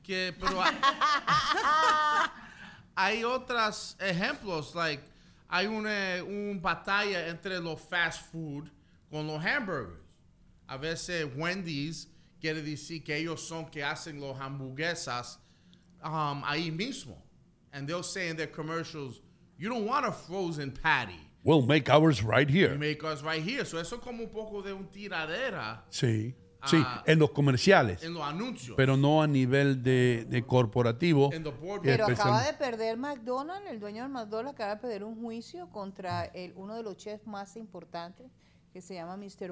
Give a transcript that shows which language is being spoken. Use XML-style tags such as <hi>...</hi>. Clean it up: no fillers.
<es>Que, pero hay otros ejemplos, like hay una batalla entre los fast food con los hamburgers. A veces Wendy's quiere decir que ellos son que hacen los hamburguesas ahí mismo.</es> <en>And they'll say in their commercials, you don't want a frozen patty. We'll make ours right here. We make ours right here.</en> <es>So eso es como un poco de un tiradera. Sí, sí, en los comerciales. En los anuncios. Pero no a nivel de corporativo.</es> <en>En the board,</en> <es>pero acaba de perder McDonald's, el dueño de McDonald's acaba de perder un juicio contra uno de los chefs más importantes que se llama Mr.</es>